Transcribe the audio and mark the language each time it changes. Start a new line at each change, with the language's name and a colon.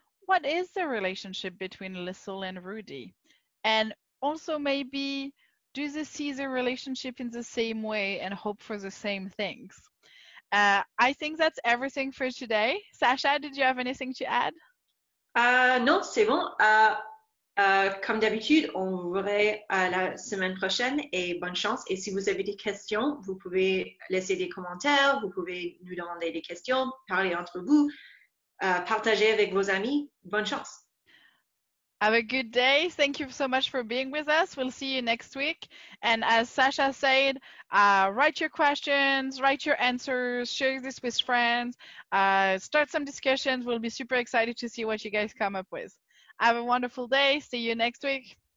English: What is the relationship between Lizzle and Rudy? And also maybe, do they see the relationship in the same way and hope for the same things? I think that's everything for today. Sasha, did you have anything to add?
French: Non, c'est bon. Comme d'habitude, on vous verrait la semaine prochaine et bonne chance. Et si vous avez des questions, vous pouvez laisser des commentaires, vous pouvez nous demander des questions, parler entre vous, partager avec vos amis. Bonne chance.
English: Have a good day. Thank you so much for being with us. We'll see you next week. And as Sasha said, write your questions, write your answers, share this with friends, start some discussions. We'll be super excited to see what you guys come up with. Have a wonderful day. See you next week.